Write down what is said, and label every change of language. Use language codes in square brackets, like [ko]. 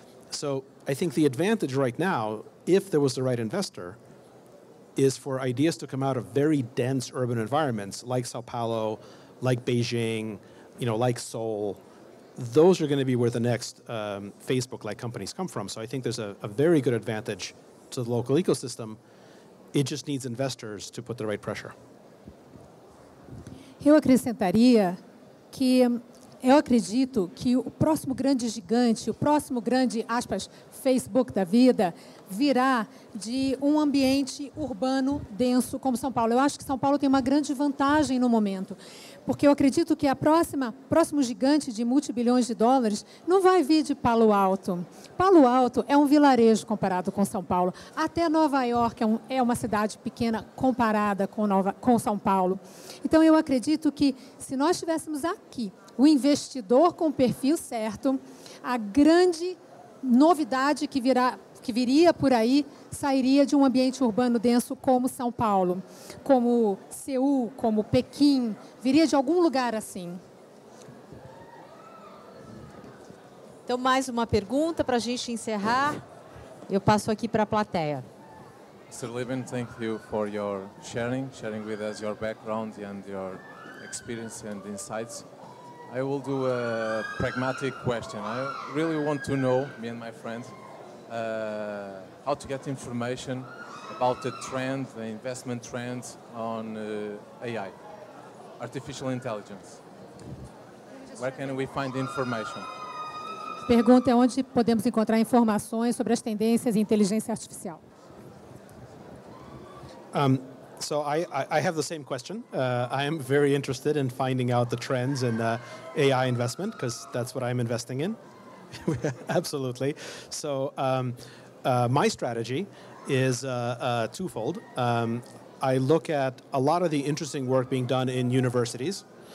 [en] So I think the advantage right now, if there was the right investor, is for ideas to come out of very dense urban environments like Sao Paulo, like Beijing, you know, like Seoul. Those are going to be where the next Facebook-like companies come from. So I think there's a very good advantage to the local ecosystem. It just needs investors to put the right pressure. [pt] Eu acrescentaria que eu acredito que o próximo grande gigante, o próximo grande, aspas, Facebook da vida, virá de um ambiente urbano denso como São Paulo. Eu acho que São Paulo tem uma grande vantagem no momento, porque eu acredito que a próximo gigante de multibilhões de dólares não vai vir de Palo Alto. Palo Alto é um vilarejo comparado com São Paulo. Até Nova York é uma cidade pequena comparada com São Paulo. Então, eu acredito que se nós tivéssemos aqui o investidor com o perfil certo, a grande novidade que viria por aí sairia de um ambiente urbano denso como São Paulo, como Seul, como Pequim, viria de algum lugar assim. Então, mais uma pergunta para a gente encerrar. Eu passo aqui para a plateia. [en] Mr. Libin, thank you for your sharing with us your background and your experience and insights. I will do a pragmatic question. I really want to know, me and my friends, how to get information about the trend, the investment trends on AI, artificial intelligence. Where can we find information? [pt] Pergunta é onde podemos encontrar informações sobre as tendências em inteligência artificial. [en] So I have the same question. I am very interested in finding out the trends in AI investment, because that's what I'm investing in. Absolutely. So my strategy is twofold. I look at a lot of the interesting work being done in universities.